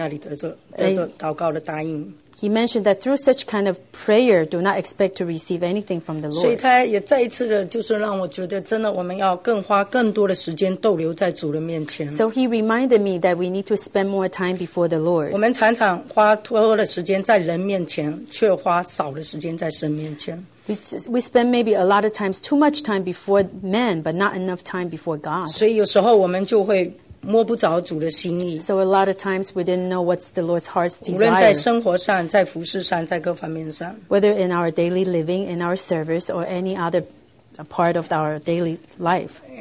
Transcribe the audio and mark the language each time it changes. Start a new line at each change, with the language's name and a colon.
Chinese: 他说我们别想这样从主那里得着祷告的答应。
English: He mentioned that through such kind of prayer, do not expect to receive anything from the Lord.
Chinese: 所以他也再一次的就是让我觉得真的我们要更花更多的时间逗留在主的面前。
English: So he reminded me that we need to spend more time before the Lord.
Chinese: 我们常常花多的时间在人面前，却花少的时间在神面前。
English: We spend maybe a lot of times too much time before men, but not enough time before God.
Chinese: 所以有时候我们就会摸不着主的心意。
English: So a lot of times we didn't know what's the Lord's heart's desire.
Chinese: 无论在生活上，在服事上，在各方面上。
English: Whether in our daily living, in our service, or any other part of our daily life.